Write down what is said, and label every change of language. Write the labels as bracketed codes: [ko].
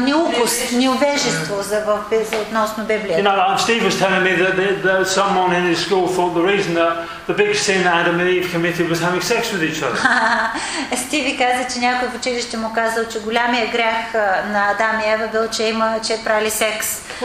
[bg] Неукост, неувежество относно Библията. [en] You know, Steve was telling me that someone in his school thought the reason that the big sin that Adam and Eve committed was having sex with each other. [bg] Стиви каза, че някой в училище му казал, че голямия грях на Адам и Ева бил, че има, че е правили секс.